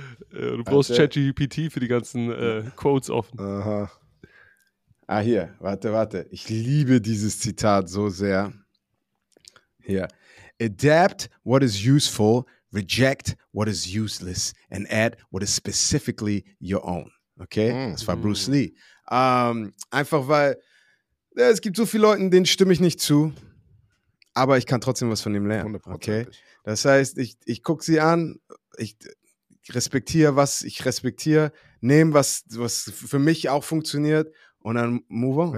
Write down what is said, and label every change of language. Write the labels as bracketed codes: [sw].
[de] Du brauchst ChatGPT für die ganzen Quotes offen. Aha. Hier. Warte. Ich liebe dieses Zitat so sehr. Hier. [en] Adapt what is useful, reject what is useless, and add what is specifically your own. [de] Okay? Das war Bruce Lee. Einfach weil. Ja, es gibt so viele Leute, denen stimme ich nicht zu, aber ich kann trotzdem was von ihm lernen. Okay? Das heißt, ich gucke sie an, ich respektiere, nehmen, was für mich auch funktioniert und dann move on.